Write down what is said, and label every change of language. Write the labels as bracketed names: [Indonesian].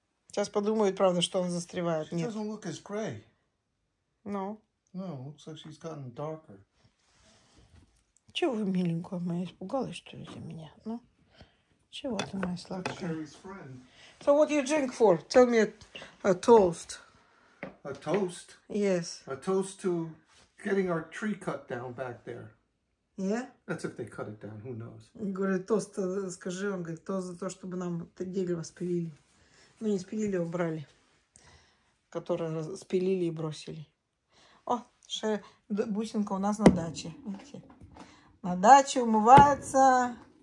[Russian] Сейчас подумают, правда, что он застревает. [English] She doesn't look as gray. No. No, it looks like she's gotten darker. [Russian] Чего вы, миленькая моя, испугалась, что ли, за меня? Ну, чего ты, моя сладкая? [English] That's Sherry's friend. So what do you drink for? Tell me a toast. A toast? Yes. A toast to getting our tree cut down back there. Yeah? That's if they cut it down, who knows. [Russian] Говорит, тост, скажи, он говорит, тост за то, чтобы нам дерево спилили. Ну, не спилили, а убрали. Которое спилили и бросили. О, бусинка у нас на даче. Видите? На даче умывается.